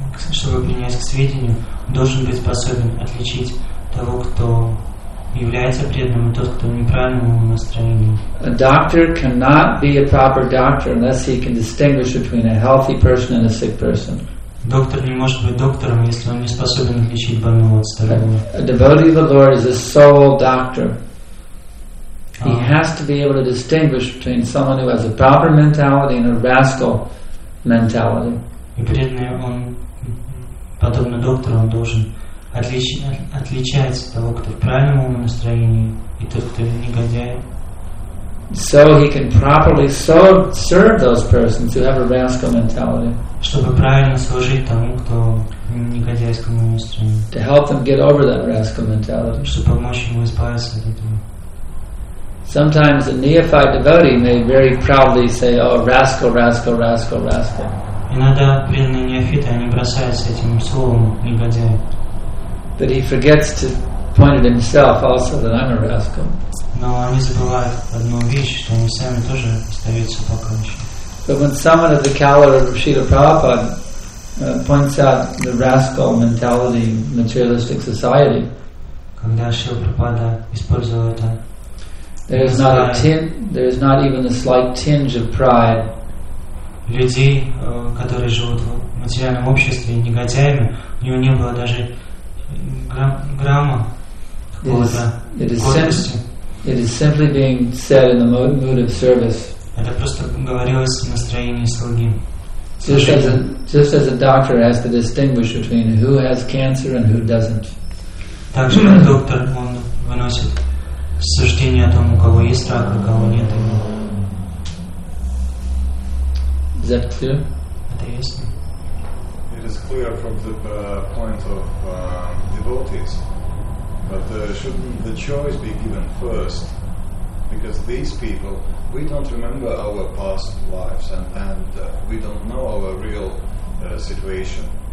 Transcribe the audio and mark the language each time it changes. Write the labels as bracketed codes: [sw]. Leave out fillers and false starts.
[ru] Чтобы принять к сведению, должен быть способен отличить того, кто является преданным, и тот, кто в неправильном настроении. [en] A doctor cannot be a proper doctor unless he can distinguish between a healthy person and a sick person. [ru] Доктор не может быть доктором, если он не способен отличить больного от здорового. [en] A devotee of the Lord is a soul doctor. He has to be able to distinguish between someone who has a proper mentality and a rascal mentality. [ru] И преданный, он подобно доктору, он должен отличать того, кто в правильном настроении, и тот, кто негодяй. [en] So he can properly serve those persons who have a rascal mentality. [ru] Чтобы правильно служить тому, кто негодяйскому настроению. [en] To help them get over that rascal mentality. [ru] Чтобы помочь ему избавиться от этого. [en] Sometimes a neophyte devotee may very proudly say, "Oh, rascal, rascal, rascal, rascal." [ru] Иногда преданные неофиты, они бросаются этим словом негодяй. [en] But he forgets to point it himself also that I'm a rascal. [ru] Но они забывают одну вещь, что они сами тоже остаются покойщи. [en] But when someone of the caliber of Srila Prabhupada points out the rascal mentality in materialistic society, [ru] когда Шрила Прабхупада использовал это, [en] there is not even a slight tinge of pride. [ru] Людей, которые живут в материальном обществе, негодяями, у него не было даже грамма гордости. [en] It is simply being said in the mood of service. [ru] Это просто говорилось в настроении слуги. [en] Just as a doctor has to distinguish between who has cancer and who doesn't. [ru] Также доктор, он выносит суждение о том, у кого есть рак, у кого нет. [en] Is that clear? It is clear from the point of devotees. But shouldn't the choice be given first? Because these people, we don't remember our past lives and we don't know our real situation.